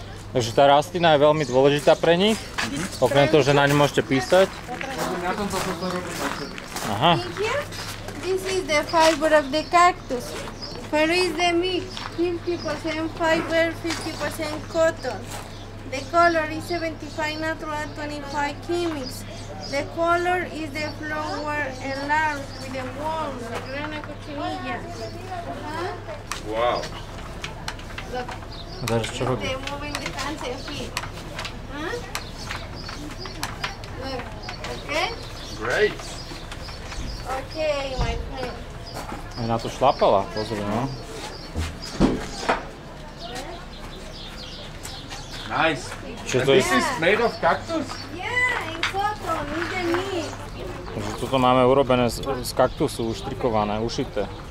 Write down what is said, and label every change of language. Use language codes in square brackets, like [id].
[sk] Takže tá rastlina je veľmi dôležitá pre nich. Uh-huh. Okrem toho, že na ňu môžete písať. Aha. [en] This is the fiber of the cactus. Where is the mix? 50% fiber, 50% cotton. The color is 75 natural, 25 chemicals. The color is the flower and larva with the worm, the grana cochinilla. Uh-huh. Wow. Look. That's true. They're moving the hands and feet. Huh? Look. Okay? Great. Okay, my friend. [sk] Aj na to šlapala, pozri, no. [en] Nice. [sk] Čo [en] to is made of cactus? Yeah, in cotton, in the meat. [sk] Takže toto máme urobené z kaktusu, uštrikované, ušité.